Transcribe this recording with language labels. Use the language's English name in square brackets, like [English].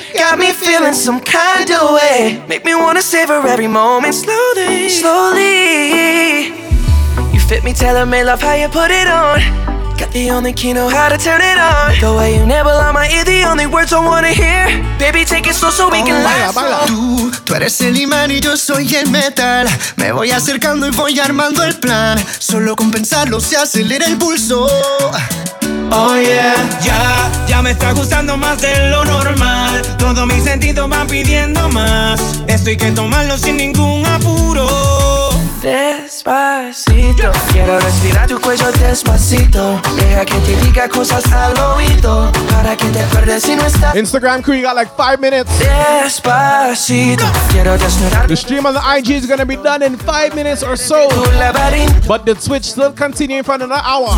[English] Got me feeling some kind of way. Make me wanna savor every moment. Slowly. Fit me, tell me, love how you put it on. Got the only key, know how to turn it on. The way you nibble on my ear, the only words I wanna hear. Baby, take it slow so we can last. [Spanish] Tú eres el imán y yo soy el metal. Me voy acercando y voy armando el plan. Solo con pensarlo se acelera el pulso. Oh yeah, ya me está gustando más de lo normal. Todos mis sentidos van pidiendo más. Esto hay que tomarlo sin ningún apuro. Despacito, quiero respirar tu cuello despacito. Deja que te diga cosas al oído para que te acuerdes si no estás. [English] Instagram crew, you got like 5 minutes. [Spanish] Despacito, quiero desnudar. [English] The stream on the IG is gonna be done in 5 minutes or so. But the Twitch still continue in front of an hour.